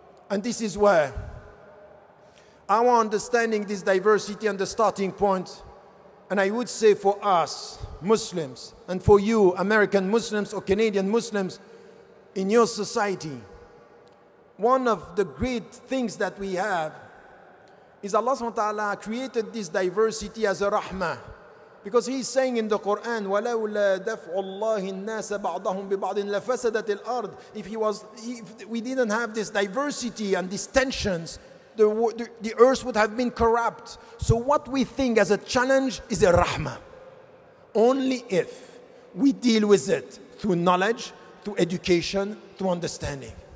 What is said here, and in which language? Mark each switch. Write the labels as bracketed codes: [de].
[en] And this is where our understanding this diversity and the starting point, and I would say for us Muslims and for you American Muslims or Canadian Muslims in your society, one of the great things that we have is Allah subhanahu wa ta'ala created this diversity as a rahmah. Because he's saying in the Quran, [ar] وَلَوْلَا دَفْعُ اللَّهِ النَّاسَ بَعْضَهُمْ بِبَعْضٍ لَفَسَدَتِ الْأَرْضِ. [en] If we didn't have this diversity and these tensions, the earth would have been corrupt. So what we think as a challenge is a rahmah. Only if we deal with it through knowledge, through education, through understanding.